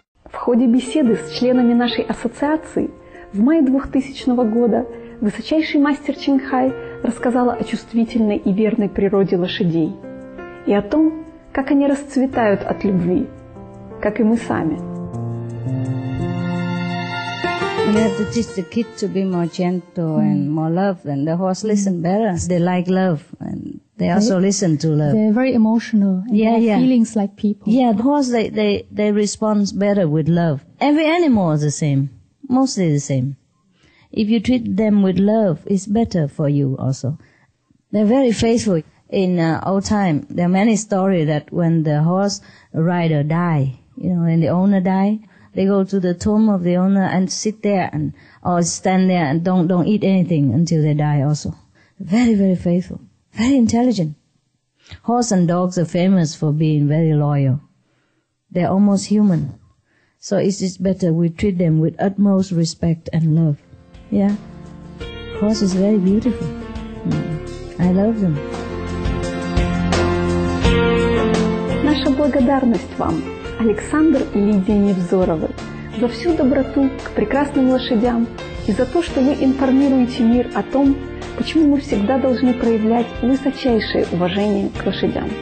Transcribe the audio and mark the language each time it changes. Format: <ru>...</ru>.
<ru>В ходе беседы с членами нашей ассоциации в мае 2000 года высочайший мастер Чинхай рассказала о чувствительной и верной природе лошадей и о том, как они расцветают от любви, как и мы сами.</ru> <en>You have to teach the kid to be more gentle and more love, and the horse listen better. They like love, and they also listen to love. They're very emotional. Yeah, they have feelings like people. Yeah, the horse they respond better with love. Every animal is the same, mostly the same. If you treat them with love, it's better for you also. They're very faithful. In old time, there are many stories that when the horse rider die, you know, when the owner die, they go to the tomb of the owner and sit there and or stand there and don't eat anything until they die also. Very, very faithful. Very intelligent. Horse and dogs are famous for being very loyal. They're almost human. So it is better we treat them with utmost respect and love. Yeah. Horse is very beautiful. I love them.</en> <ru>Наша благодарность вам, Александр и Лидия Невзоровы, за всю доброту к прекрасным лошадям и за то, что вы информируете мир о том, почему мы всегда должны проявлять высочайшее уважение к лошадям.</ru>